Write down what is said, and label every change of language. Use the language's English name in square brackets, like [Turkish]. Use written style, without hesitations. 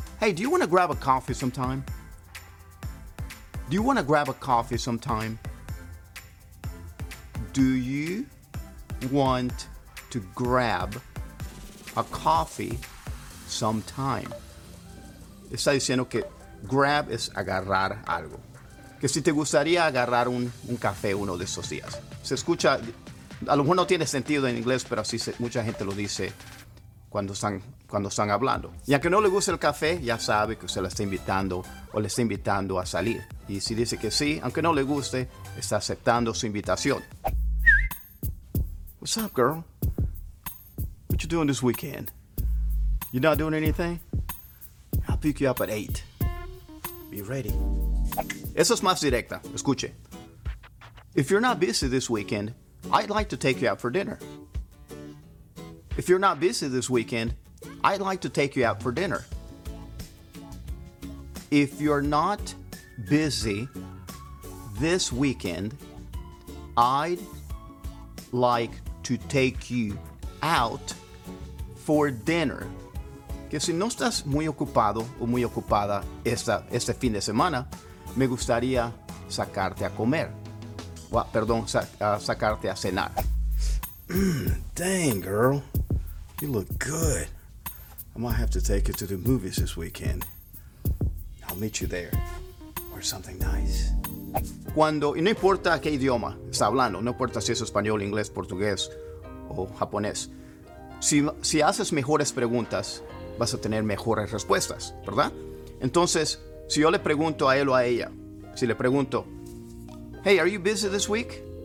[English] Hey, do you want to grab a coffee sometime? Do you want to grab a coffee sometime? Do you want to grab a coffee sometime? [Spanish] Está diciendo que grab es agarrar algo. Que si te gustaría agarrar un café uno de esos días. Se escucha, a lo mejor no tiene sentido en inglés, pero así mucha gente lo dice cuando están hablando. Y aunque no le guste el café, ya sabe que usted la está invitando o le está invitando a salir. Y si dice que sí, aunque no le guste, está aceptando su invitación. [English] What's up, girl? What you doing this weekend? You not doing anything? I'll pick you up at 8. Be ready. [Spanish] Eso es más directa. Escuche. [English] If you're not busy this weekend, I'd like to take you out for dinner. If you're not busy this weekend, I'd like to take you out for dinner. If you're not busy this weekend, I'd like to take you out for dinner. [Spanish] Que si no estás muy ocupado o muy ocupada este fin de semana, me gustaría sacarte a comer. Sacarte a cenar. [English] Dang, girl. You look good. I might have to take you to the movies this weekend. I'll meet you there. Or something nice. [Spanish] Cuando, y no importa qué idioma está hablando, no importa si es español, inglés, portugués o japonés. Si haces mejores preguntas, vas a tener mejores respuestas, ¿verdad? Entonces, si yo le pregunto a él o a ella, si le pregunto, [English] hey, are you busy this week?